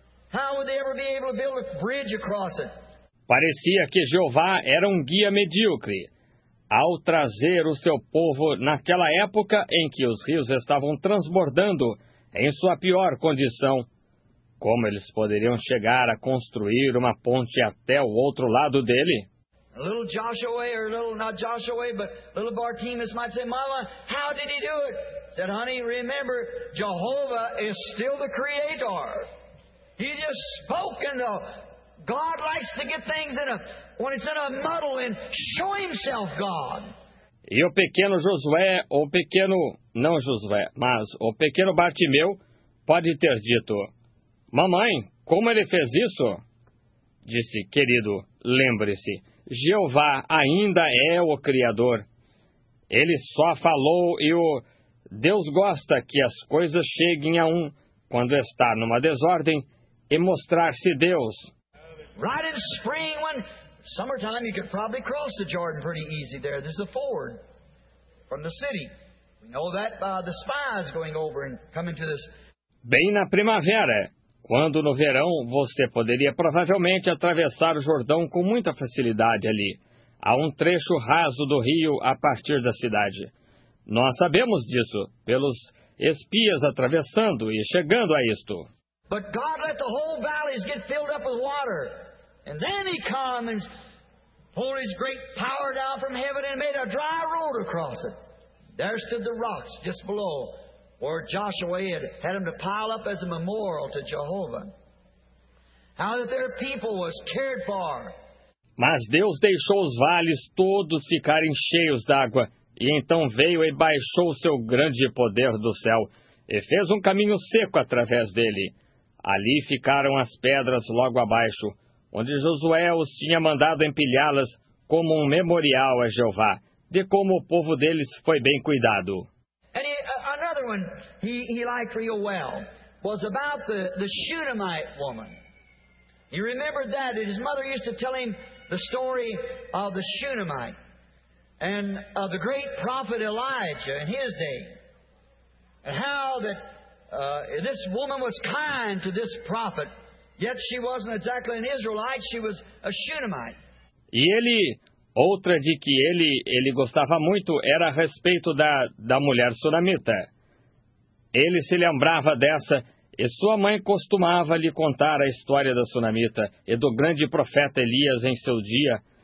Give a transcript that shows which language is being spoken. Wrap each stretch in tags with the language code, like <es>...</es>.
<en>How would they ever be able to build a bridge across it?</en> <pt>Parecia que Jeová era um guia medíocre ao trazer o seu povo naquela época em que os rios estavam transbordando em sua pior condição. Como eles poderiam chegar a construir uma ponte até o outro lado dele?</pt> <en>Little Joshua, or little, not Joshua, but little Bartimaeus might say, Mama, how did he do it? Said, honey, remember, Jehovah is still the Creator. He just spoke, and God likes to get things in a, when it's in a muddle, and show himself God.</en> <pt>E o pequeno Josué, ou pequeno, não Josué, mas o pequeno Bartimeu, pode ter dito, Mamãe, como ele fez isso? Disse, querido, lembre-se. Jeová ainda é o Criador. Ele só falou e o... Deus gosta que as coisas cheguem a um quando está numa desordem e mostrar-se Deus.</pt> <en>Right in spring, when summertime, you could probably cross the Jordan pretty easy there. This is a ford from the city. We know that by the spies going over and coming to this.</en> <pt>Bem na primavera. Quando no verão, você poderia provavelmente atravessar o Jordão com muita facilidade ali. Há um trecho raso do rio a partir da cidade. Nós sabemos disso, pelos espias atravessando e chegando a isto.</pt> <en>But God let the whole valleys get filled up with water. And then he come and pulled his great power down from heaven and made a dry road across it. There stood the rocks just below. Or Joshua had him to pile up as a memorial to Jehovah. How that their people was cared for.</en> <pt>Mas Deus deixou os vales todos ficarem cheios d'água, e então veio e baixou seu grande poder do céu, e fez um caminho seco através dele. Ali ficaram as pedras logo abaixo, onde Josué os tinha mandado empilhá-las como um memorial a Jeová, de como o povo deles foi bem cuidado.</pt> <en>Another one he liked real well was about the Shunammite woman. He remembered that his mother used to tell him the story of the Shunammite and of the great prophet Elijah in his day, and how that this woman was kind to this prophet, yet she wasn't exactly an Israelite, she was a Shunammite.</en> <pt>E ele, outra de que ele gostava muito era a respeito da mulher sunamita. Ele se lembrava dessa, e sua mãe costumava lhe contar a história da sunamita e do grande profeta Elias em seu dia,</pt>